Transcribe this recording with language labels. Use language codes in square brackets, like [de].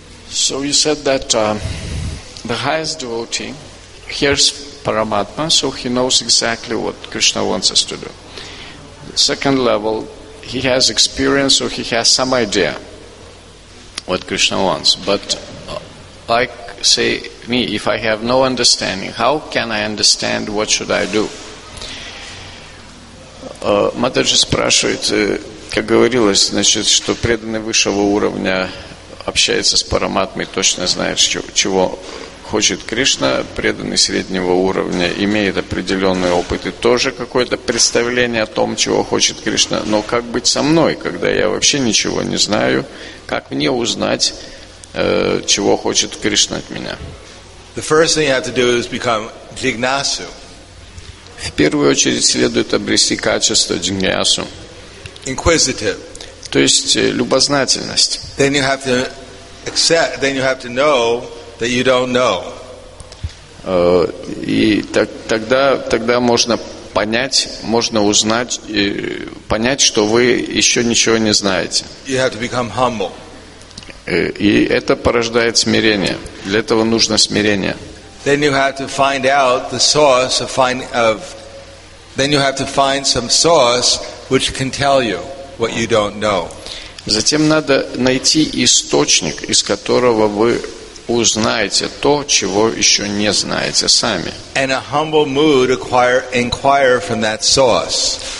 [en] Said that the highest devotee hears Paramatma, so he knows exactly what Krishna wants us to do. The second level, he has experience, so he has some idea what Krishna wants. But like, say, me, if I have no understanding, how can I understand, what should I do? [ru] Mataji спрашивает, как говорилось, значит, что преданный высшего уровня общается с параматмой, точно знает, чего хочет Кришна, преданный среднего уровня, имеет определенный опыт и тоже какое-то представление о том, чего хочет Кришна. Но как быть со мной, когда я вообще ничего не знаю? Как мне узнать, чего хочет Кришна от меня? [en] The first thing you have to do is become jignasu. [ru] В первую очередь следует обрести качество джигнясу. [en] Inquisitive. [ru] То есть любознательность. [en] Then you have to accept, then you have to know that you don't know. [ru] И тогда можно понять, можно узнать, понять, что вы еще ничего не знаете. [en] You have to become humble. [ru] И это порождает смирение. Для этого нужно смирение. [en] Then you have to find out the source of then you have to find some source which can tell you what you don't know. [ru] Затем надо найти источник, из которого вы узнаете то, чего еще не знаете сами. [en] And a humble mood inquire from that source.